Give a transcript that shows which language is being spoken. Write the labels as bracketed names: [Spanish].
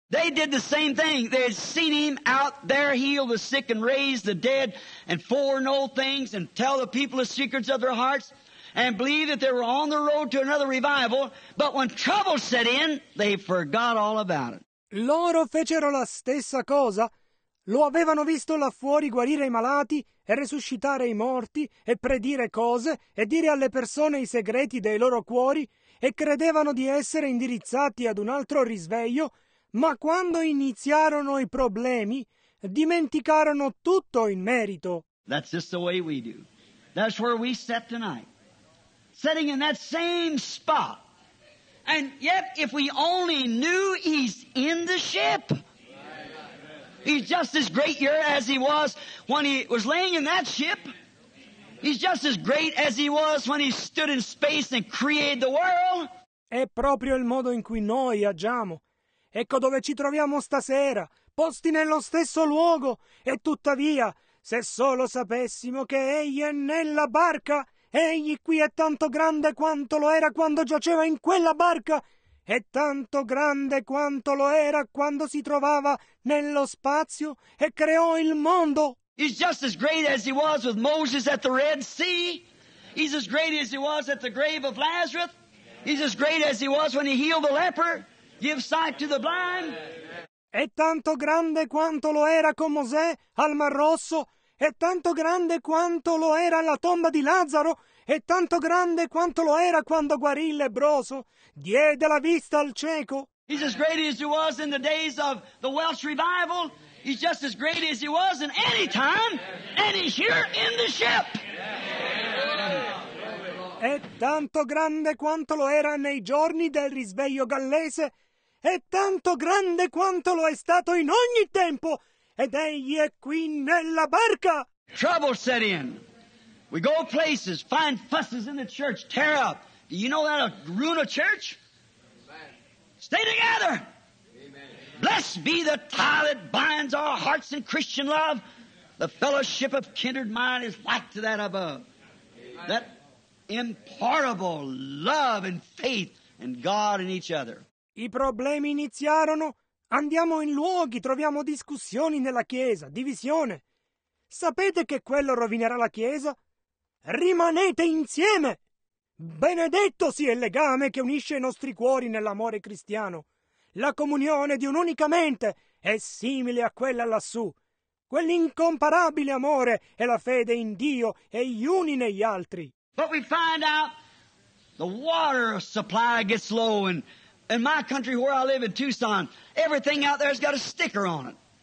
[English] They did the same thing. They had seen him out there heal the sick and raise the dead and foreknow things and tell the people the secrets of their hearts and believe that they were on the road to another revival. But when trouble set in, they forgot all about it. [Italian] Loro fecero la stessa cosa. Lo avevano visto là fuori guarire i malati e resuscitare i morti e predire cose e dire alle persone i segreti dei loro cuori e credevano di essere indirizzati ad un altro risveglio, ma quando iniziarono i problemi dimenticarono tutto in merito. [English] That's just the way we do. That's where we sit tonight. Sitting in that same spot. And yet, if we only knew he's in the ship, he's just as great here as he was when he was laying in that ship. He's just as great as he was when he stood in space and created the world. [Italian] È proprio il modo in cui noi agiamo. Ecco dove ci troviamo stasera, posti nello stesso luogo. E tuttavia, se solo sapessimo che egli è nella barca, egli qui è tanto grande quanto lo era quando giaceva in quella barca, è tanto grande quanto lo era quando si trovava nello spazio e creò il mondo. [English] He's just as great as he was with Moses at the Red Sea. He's as great as he was at the grave of Lazarus. He's as great as he was when he healed the leper, give sight to the blind. [Italian] È tanto grande quanto lo era con Mosè al Mar Rosso. È tanto grande quanto lo era la tomba di Lazzaro. È tanto grande quanto lo era quando guarì il lebbroso, diede la vista al cieco. [English] He's as great as he was in the days of the Welsh revival. He's just as great as he was in any time, and he's here in the ship. [Italian] È tanto grande quanto lo era nei giorni del risveglio gallese. È tanto grande quanto lo è stato in ogni tempo. Ed egli è qui nella barca. [English] Trouble set in. We go places, find fusses in the church, tear up. Do you know that'll ruin a church? Stay together. Amen. Blessed be the tie that binds our hearts in Christian love. The fellowship of kindred mind is like to that above. That impartible love and faith in God and each other. [Italian] I problemi iniziarono. Andiamo in luoghi, troviamo discussioni nella Chiesa, divisione. Sapete che quello rovinerà la Chiesa? Rimanete insieme! Benedetto sia il legame che unisce i nostri cuori nell'amore cristiano. La comunione di un'unica mente è simile a quella lassù. Quell'incomparabile amore è la fede in Dio e gli uni negli altri. [English] But we find out the water supply gets low and in my country where I live in Tucson, everything out there has got a sticker on it.